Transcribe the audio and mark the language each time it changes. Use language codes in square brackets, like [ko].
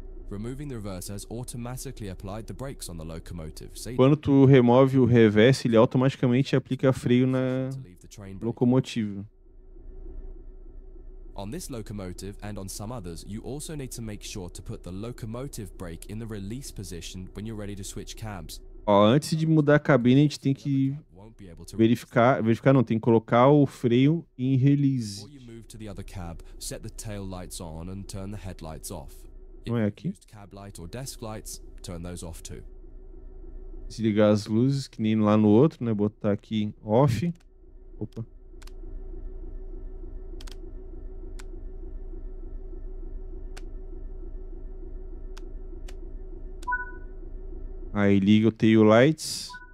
[en] Removing the reverser has automatically applied the brakes on the locomotive. [pt] Quando tu remove o reverse, ele automaticamente aplica freio na locomotiva. [en] On this locomotive and on some others, you also need to make sure to put the locomotive brake in the release position when you're ready to switch cabs. [pt] Ó, antes de mudar a cabine, a gente tem que verificar, não, tem que colocar o freio em release. [en] Before you move to the other cab, set the tail lights on and turn the headlights off. [pt] Não é aqui? [en] Cab light or desk lights, turn those off too. [pt] Desligar as luzes, que nem lá no outro, né? Botar aqui off. Opa. Aí liga o tail lights.